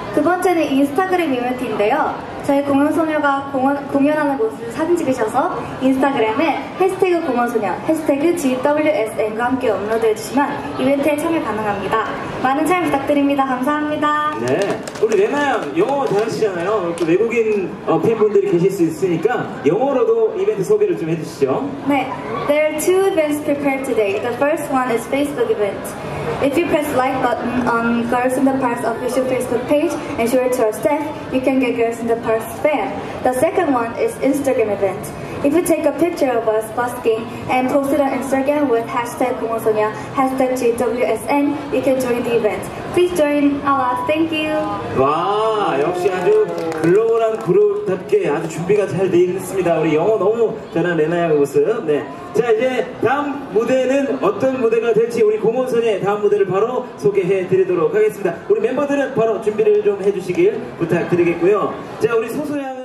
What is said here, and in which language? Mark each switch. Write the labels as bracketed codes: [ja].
[ko] 두 번째는 인스타그램 이벤트인데요. 저희 공원소녀가 공연하는 모습을 사진 찍으셔서 인스타그램에 해시태그 공원소녀, 해시태그 GWSN과 함께 업로드해 주시면 이벤트에 참여 가능합니다. 많은 참여 부탁드립니다. 감사합니다. 네, 우리 레나 양 영어 잘하시잖아요. 외국인 팬분들이 계실 수 있으니까 영어로도 이벤트 소개를 좀 해주시죠. 네, [en] There are two events prepared today. The first one is Facebook event. If you press like button on Girls in the Park's official Facebook page and show it to our staff, you can get Girls in the Park's fan. The second one is Instagram event. If you take a picture of us busking and post it on Instagram with hashtag 공원소녀, hashtag GWSN, you can join the event. Please join a lot. Thank you. [ko] 와, 역시 아주 글로벌한 그룹답게 아주 준비가 잘 되어 있습니다. 우리 영어 너무 잘한 레나 양의 모습. 네. 자, 이제 다음 무대는 어떤 무대가 될지 우리 공원소녀의 다음 무대를 바로 소개해 드리도록 하겠습니다. 우리 멤버들은 바로 준비를 좀 해주시길 부탁드리겠고요. 자, 우리 소소양.